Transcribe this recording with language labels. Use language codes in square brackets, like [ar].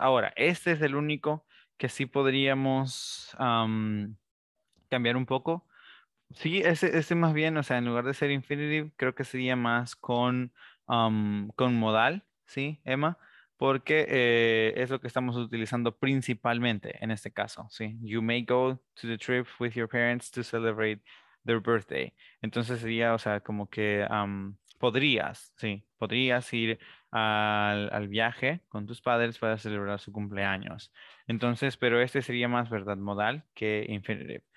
[es] Ahora, este es el único que sí podríamos cambiar un poco. Sí, ese más bien, o sea, en lugar de ser infinitive, creo que sería más con modal, ¿sí, Emma? Porque es lo que estamos utilizando principalmente en este caso, ¿sí? [en] You may go to the trip with your parents to celebrate their birthday. [es] Entonces sería, o sea, como que podrías, sí, podrías ir al viaje con tus padres para celebrar su cumpleaños. Entonces, pero este sería más, ¿verdad?, modal que infinitive.